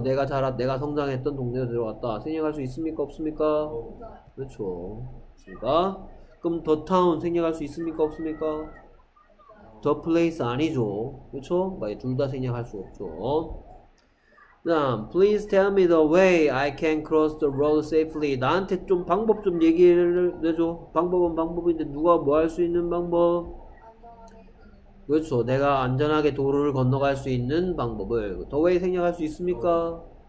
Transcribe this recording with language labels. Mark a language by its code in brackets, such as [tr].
[ko] 내가 자랐, 내가 성장했던 동네로 들어갔다. 생략할 수 있습니까? 없습니까? 그렇죠. 그렇습니까? 그럼 the town 생략할 수 있습니까? 없습니까? the place 아니죠. 그렇죠? 그러니까 둘 다 생략할 수 없죠. 다음, [en] please tell me the way I can cross the road safely. [ko] 나한테 좀 방법 좀 얘기를 해줘. 방법은 방법인데 누가 뭐 할 수 있는 방법? 그렇죠. 내가 안전하게 도로를 건너갈 수 있는 방법을 the way 생략할 수 있습니까?